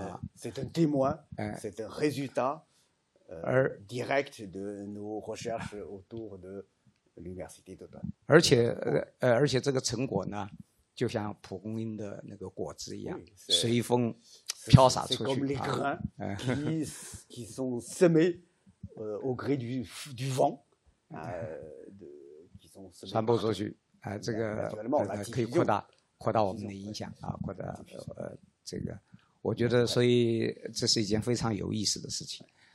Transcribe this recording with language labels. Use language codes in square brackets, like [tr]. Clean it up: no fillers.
[zh] 第三个方面呢，其实是增加我们这个整个研讨班的显示度，我们将成果也可以，就相当于我们经过了一些辛勤的耕耘，最后是要收获的，那么这个出版物呢，也就是一个研讨班的一个成果， [fr] c'est un témoin，c'est un résultat direct de nos recherches autour de l'université d'Autun. [zh] 而且这个成果呢, 就像蒲公英的那个果子一样, 随风飘洒出去, [fr] c'est comme les grains qui sont semés au gré du vent, qui sont semés. [zh] 传播出去, 这个可以扩大我们的影响, 扩大这个, 我觉得, 所以这是一件非常有意思的事情。